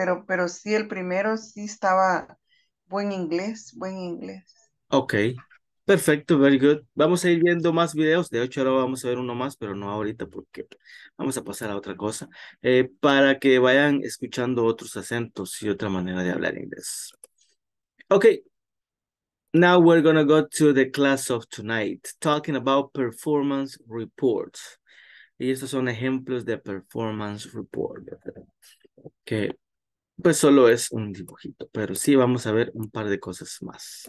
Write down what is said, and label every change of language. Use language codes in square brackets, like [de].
[es] Pero sí, el primero sí estaba buen inglés. Ok. Perfecto, [en] very good. [es] Vamos a ir viendo más videos. De hecho, ahora vamos a ver uno más, pero no ahorita porque vamos a pasar a otra cosa. Para que vayan escuchando otros acentos y otra manera de hablar inglés. Ok. [en] Now we're going to go to the class of tonight, talking about performance reports. [es] Y estos son ejemplos de performance report. Okay. Pues solo es un dibujito, pero sí vamos a ver un par de cosas más.